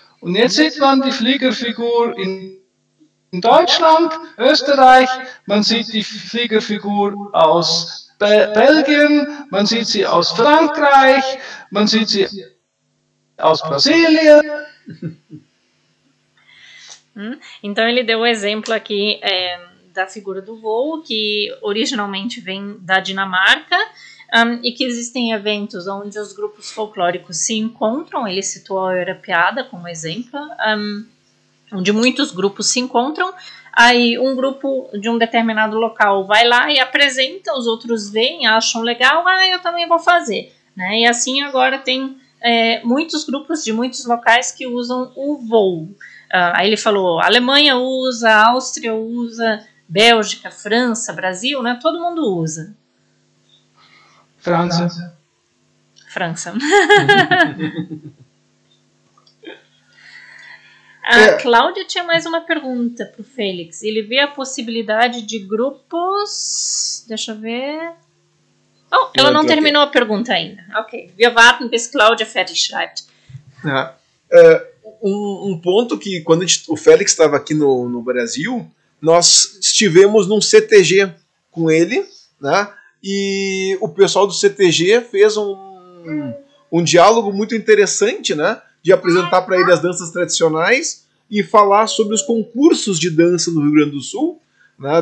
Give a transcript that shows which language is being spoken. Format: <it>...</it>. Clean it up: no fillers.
<de>Und jetzt sieht man die Fliegerfigur in Deutschland, Österreich, man sieht die Fliegerfigur aus Belgien, man sieht sie aus Frankreich, man sieht sie aus Brasilien.</de> <pt>Então ele deu o exemplo aqui da figura do voo, que originalmente vem da Dinamarca, e que existem eventos onde os grupos folclóricos se encontram. Ele citou a Europeada como exemplo, onde muitos grupos se encontram. Aí um grupo de um determinado local vai lá e apresenta, os outros vêm, acham legal, ah, eu também vou fazer, né? E assim agora tem muitos grupos de muitos locais que usam o voo. Aí ele falou, Alemanha usa, Áustria usa, Bélgica, França, Brasil, né? Todo mundo usa. França. França. A Cláudia tinha mais uma pergunta para o Félix. Ele vê a possibilidade de grupos... Deixa eu ver... Oh, ela não terminou a pergunta ainda. Ok.</pt> <de>Wir warten bis Cláudia fertig schreibt.</de> <pt>Um ponto que, quando o Félix estava aqui no Brasil, nós estivemos num CTG com ele, né? E o pessoal do CTG fez um diálogo muito interessante, né? De apresentar para ele as danças tradicionais e falar sobre os concursos de dança no Rio Grande do Sul, né?</pt>